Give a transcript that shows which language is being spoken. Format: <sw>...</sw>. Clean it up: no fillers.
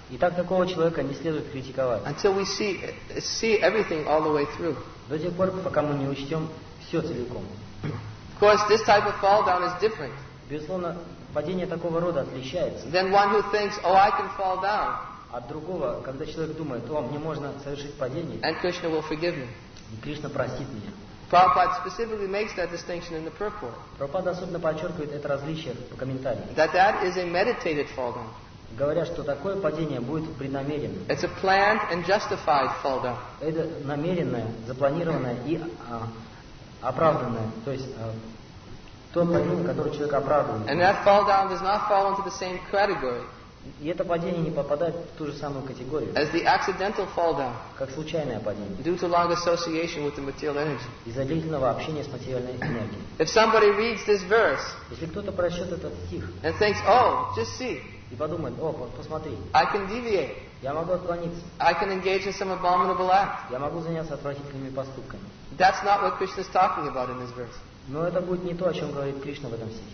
<ru>И так такого человека не следует критиковать.</ru> <en>Until we see everything all the way through.</en> <ru>До тех пор, пока мы не учтем все целиком.</ru> <en>Of course, this type of fall down is different.</en> <ru>Безусловно, падение такого рода отличается.</ru> <en>Then one who thinks, oh, I can fall down.</en> <ru>От другого, когда человек думает, о, мне можно совершить падение.</ru> <en>And Krishna will forgive me.</en> <ru>И Кришна простит меня.</ru> <en>Prabhupada specifically makes that distinction in the purport.</en> <ru>Прабхупада особенно подчеркивает это различие в комментарии.</ru> <en>That is a meditated fall down.</en> <ru>Говоря, что такое падение будет преднамеренным.</ru> <en>It's a planned and justified fall down.</en> <ru>Это намеренное, запланированное и оправданное. То есть то падение, которое человек оправдывает.</ru> <en>And that fall down does not fall into the same category.</en> <ru>И это падение не попадает в ту же самую категорию.</ru> <en>As the accidental fall down.</en> <ru>Как случайное падение.</ru> <en>Due to long association with the material energy.</en> <ru>Из-за длительного общения с материальной энергией.</ru> <en>If somebody reads this verse.</en> <ru>Если кто-то прочтет этот стих.</ru> <en>And thinks, oh, just see.</en> <ru>и подумает: о, вот посмотри,</ru> <en>I can deviate.</en> <ru>Я могу отклониться.</ru> <en>I can engage in some abominable act.</en> <ru>Я могу заняться отвратительными поступками.</ru> <en>That's not what Krishna's talking about in this verse.</en> <ru>Но это будет не то, о чем говорит Кришна в этом стихе.</ru>